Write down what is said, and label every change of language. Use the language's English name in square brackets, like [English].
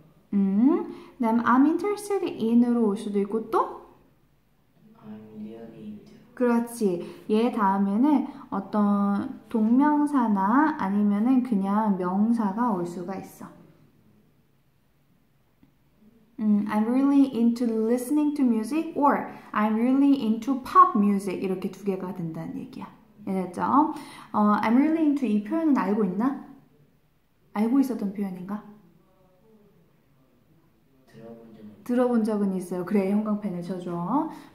[Korean] 그 다음에 [English] I'm interested in [Korean] 으로 올 수도 있고 또? [English] really [Korean] 그렇지. 얘 다음에는 어떤 동명사나 아니면은 그냥 명사가 올 수가 있어. [English] I'm really into listening to music or I'm really into pop music. [Korean] 이렇게 두 개가 된다는 얘기야. 알았죠? [English] I'm really into [Korean] 이 표현은 알고 있나? 알고 있었던 표현인가? 들어본 적은 있어요. 그래, 형광펜을 쳐줘.